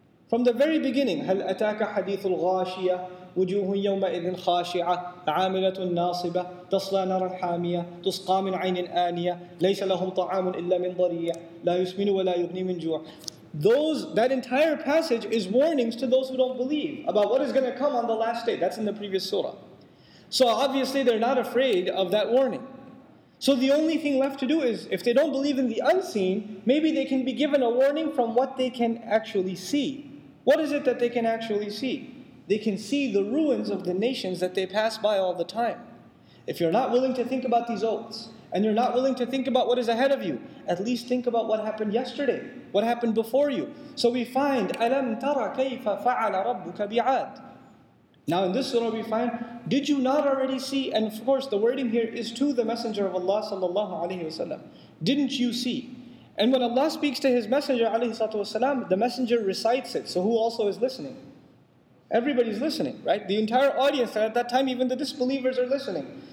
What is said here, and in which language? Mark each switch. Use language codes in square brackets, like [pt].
[en] From the very beginning, [ar] هَلْ أَتَاكَ حَدِيثُ الْغَاشِيَةِ وُجُوهٌ يَوْمَئِذٍ خَاشِعَةٌ عَامِلَةٌ نَاصِبَةٌ تَصْلَى نَارًا حَامِيَةٌ تُسْقَى مِنْ عَيْنٍ آنِيَةٍ لَيْسَ لَهُمْ طَعَامٌ إِلَّا مِنْ ضَرِيعٍ لَا يُسْمِنُ وَلَا يُغْنِي مِنْ جُوعٍ. [en] That entire passage is warnings to those who don't believe about what is going to come on the last day. That's in the previous surah. So obviously they're not afraid of that warning. So the only thing left to do is, if they don't believe in the unseen, maybe they can be given a warning from what they can actually see. What is it that they can actually see? They can see the ruins of the nations that they pass by all the time. If you're not willing to think about these oaths, and you're not willing to think about what is ahead of you, at least think about what happened yesterday, what happened before you. So we find, [ar] أَلَمْ تَرَ كَيْفَ فَعَلَ رَبُّكَ بِعَادٍ. [en] Now in this surah we find, did you not already see, and of course the wording here is to the Messenger of Allah sallallahu alayhi wa sallam, didn't you see? And when Allah speaks to His Messenger alayhi sallallahu alayhi wa sallam, the Messenger recites it, so who also is listening? Everybody's listening, right? The entire audience at that time, even the disbelievers are listening.